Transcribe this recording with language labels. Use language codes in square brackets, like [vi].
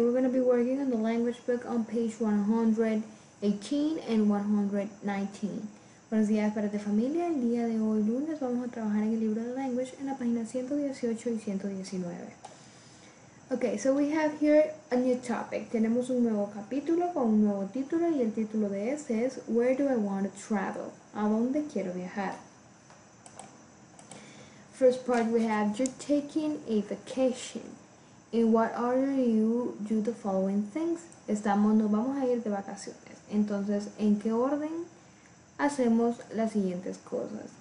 [en] We're going to be working on the language book on page 118 and 119. [es] Buenos días para tu familia. El día de hoy, lunes, vamos a trabajar en el libro de language en la página 118 y 119. [en] Okay, so we have here a new topic. [es] Tenemos un nuevo capítulo con un nuevo título y el título de este es [en] Where do I want to travel? [es] ¿A dónde quiero viajar? [en] First part we have, you're taking a vacation. In what order you do the following things? [es] Estamos, nos vamos a ir de vacaciones. Entonces, ¿en qué orden hacemos las siguientes cosas?